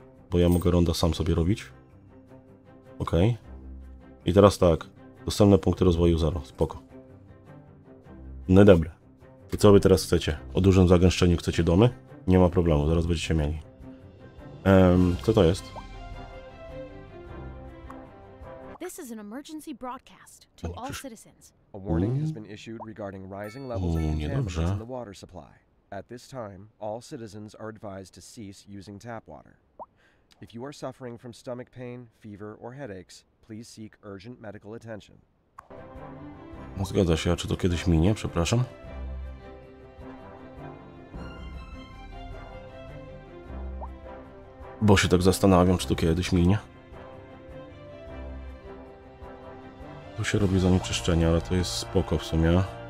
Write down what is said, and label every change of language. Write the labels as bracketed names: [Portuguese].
[Polish] Bo ja mogę ronda sam sobie robić. Ok. I teraz tak. Dostępne punkty rozwoju 0. Spoko. No dobra. I co wy teraz chcecie? O dużym zagęszczeniu chcecie domy? Nie ma problemu, zaraz będziecie mieli. Co to jest? [English] This is an emergency broadcast to all citizens. A warning has been issued regarding rising levels of contaminants in the water supply. At this time, all citizens are advised to cease using tap water. If you are suffering from stomach pain, fever or headaches, please seek urgent medical attention. [Polish] No zgadza się, a czy to kiedyś minie? Przepraszam. Bo się tak zastanawiam, czy to kiedyś minie. Tu się robi zanieczyszczenie, ale to jest spoko w sumie.